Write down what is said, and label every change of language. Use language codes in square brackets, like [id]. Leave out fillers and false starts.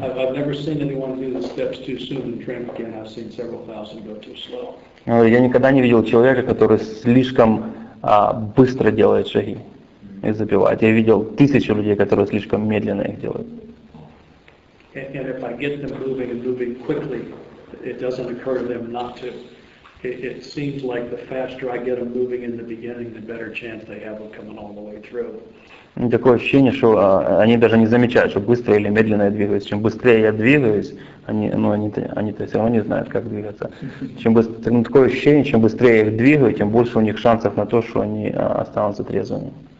[en] I've never seen anyone do the steps too soon and trim again. I've seen several thousand go too slow. [ru] Я никогда не видел человека, который слишком быстро делает шаги и забивает. Я видел тысячи людей, которые слишком медленно их делают. [en] And if I get them moving and moving quickly, it doesn't occur to them not to. It seems like the faster I get them moving in the beginning, the better chance they have of coming all the way through. [ru] Такое ощущение, что они даже не замечают, что быстро или медленно я двигаюсь. Чем быстрее я двигаюсь, они-то все равно не знают, как двигаться. Такое ощущение, чем быстрее я их двигаю, тем больше у них шансов на то, что они останутся трезвыми.